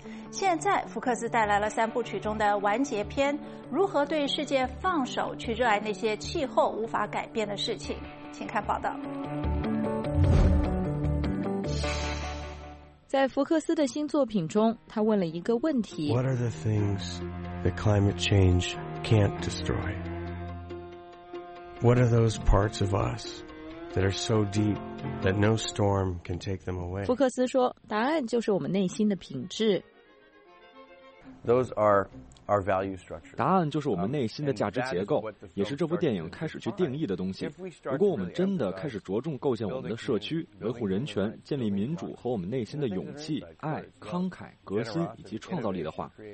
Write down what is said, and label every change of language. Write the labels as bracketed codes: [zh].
[zh] 现在福克斯带来了三部曲中的完结篇，如何对世界放手，去热爱那些气候无法改变的事情。请看报道。在福克斯的新作品中，他问了一个问题 [en] What are the things that climate change can't destroy? What are those parts of us that are so deep that no storm can take them away? [zh] 福克斯说，答案就是我们内心的品质。 [en] Those are our value structure. [zh] 答案就是我们内心的价值结构，也是这部电影开始去定义的东西。如果我们真的开始着重构建我们的社区，维护人权，建立民主和我们内心的勇气、爱、慷慨、革新以及创造力的话，